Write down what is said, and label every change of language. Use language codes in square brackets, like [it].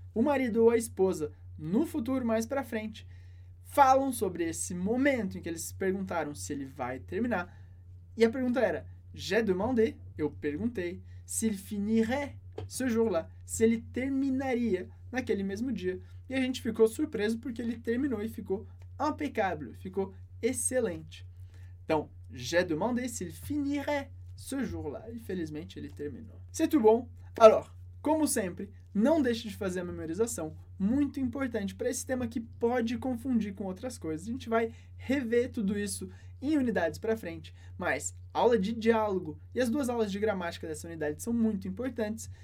[pt] O marido ou a esposa, no futuro, mais para frente, falam sobre esse momento em que eles se perguntaram se ele vai terminar. E a pergunta era: [fr] J'ai demandé, [pt] eu perguntei, [fr] s'il finirait ce jour-là, [pt] se ele terminaria naquele mesmo dia. E a gente ficou surpreso porque ele terminou e ficou impecável, ficou excelente. Então, [fr] j'ai demandé s'il finirait ce jour-là. [pt] Infelizmente, ele terminou. [fr] C'est tout bon? Alors, [pt] como sempre, não deixe de fazer a memorização. Muito importante para esse tema que pode confundir com outras coisas. A gente vai rever tudo isso em unidades para frente. Mas aula de diálogo e as duas aulas de gramática dessa unidade são muito importantes.